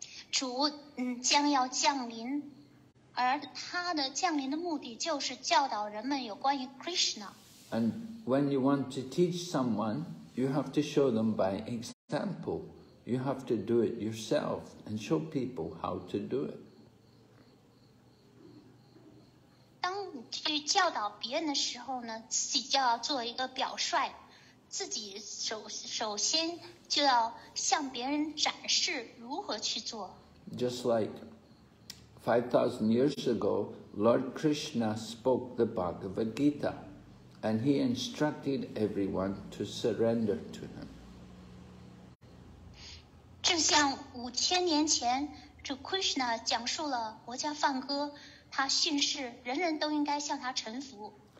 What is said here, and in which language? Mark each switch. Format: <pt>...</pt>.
<zh>主将要降临，而他的降临的目的就是教导人们有关于 Krishna.</zh> <en>And when you want to teach someone, you have to show them by example. You have to do it yourself and show people how to do it.</en> <zh>当去教导别人的时候呢，自己就要做一个表率，自己首先就要向别人展示如何去做。</zh> <en>Just like 5,000 years ago, Lord Krishna spoke the Bhagavad Gita, and he instructed everyone to surrender to him.</en> <zh>正像五千年前，主 Krishna 讲述了国家梵歌，他训示人人都应该向他臣服。</zh>